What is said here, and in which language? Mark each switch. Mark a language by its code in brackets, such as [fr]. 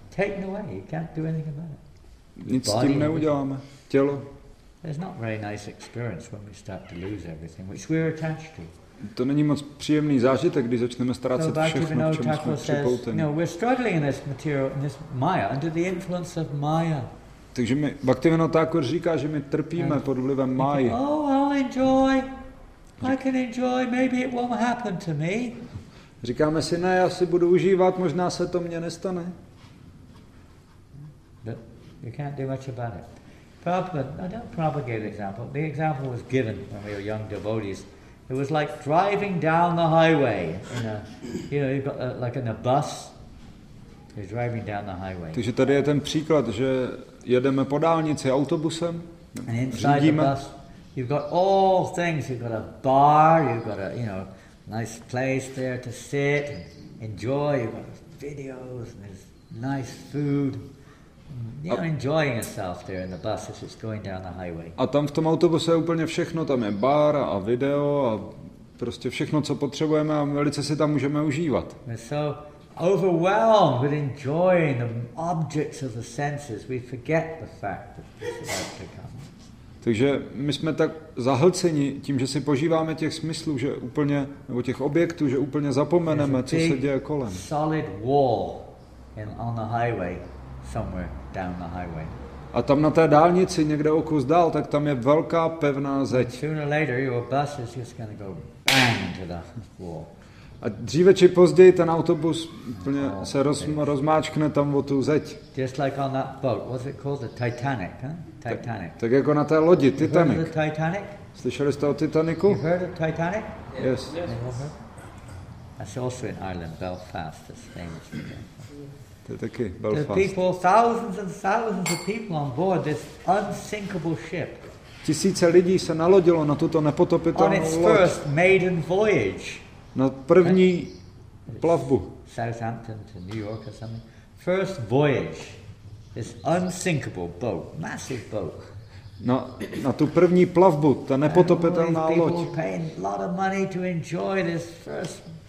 [en] Taken away, you can't do anything about it. [cs] Nic s tím neuděláme. Tělo. [en] It's not very nice experience when we start to lose everything, which we're attached to. [cs] To není moc příjemný zážitek, když začneme ztrácet všechno, k čemu jsme připouteni. [en] No, we're struggling in this material, in this Maya, under the influence of Maya. [cs] Takže mi Bhaktivinoda Thakur říká, že my trpíme pod vlivem Maya. [en] Oh, I'll enjoy. I can enjoy. Maybe it won't happen to me. [cs] Říkáme si, ne, já si budu užívat, možná se to mně nestane. [en] You can't do much about it. Prabhupada, I don't propagate example. The example was given when we were young devotees. It was like driving down the highway. In a, you know, you've got a, like in a bus. You're driving down the highway. [cs] Takže tady je ten příklad, že jedeme po dálnici autobusem. [en] And inside the bus, you've got all things. You've got a bar. You've got a, you know, nice place there to sit and enjoy. You've got videos and there's nice food. You're enjoying yourself there in the bus as it's going down the highway. [cs] A tam v tom autobuse je úplně všechno, tam je bar a video a prostě všechno, co potřebujeme a velice si tam můžeme užívat. [en] We're so overwhelmed with enjoying the objects of the senses, we forget the fact that this is about to come. [cs] Takže my jsme tak zahlceni tím, že si požíváme těch smyslů, že úplně, nebo těch objektů, že úplně zapomeneme, co se děje kolem. [en] Solid wall in, on the highway. Somewhere down the highway. [cs] A tam na té dálnici někde o kus dál, tak tam je velká pevná zeď. [en] Sooner or later your bus is just going to go bang to the wall. [cs] A dříve či později ten autobus úplně se rozmáčkne tam o tu zeď. [en] Just like on that boat. What's it called? The Titanic, huh? Titanic. [cs] Tak jako na té lodi, Titanic. [en] You heard of the Titanic? [cs] Slyšeli jste o Titaniku? [en] You heard of Titanic? Yes. That's also in Ireland, Belfast, that's famous. [cs] Taky, [en] the people, thousands and thousands of people on board this unsinkable ship. [cs] Tisíce lidí se nalodilo na tuto nepotopitelnou loď. [en] On its first maiden voyage. [cs] Na první plavbu. [en] Southampton to New York or something. First voyage. This unsinkable boat, massive boat. [cs] Na tu první plavbu, ta nepotopitelná loď. [en] People paying a lot of money to enjoy this first.